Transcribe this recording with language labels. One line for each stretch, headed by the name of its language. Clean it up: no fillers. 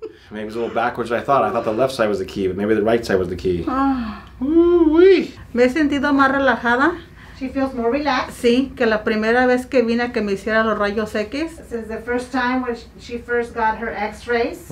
English: Maybe it's a little backwards than I thought. I thought the left side was the key, but maybe the right side was the key.
Spanish: Ooh-wee. Me he sentido más relajada.
English: She feels more relaxed.
Spanish: Sí, que la primera vez que vine a que me hiciera los rayos X.
English: Since the first time when she first got her x-rays.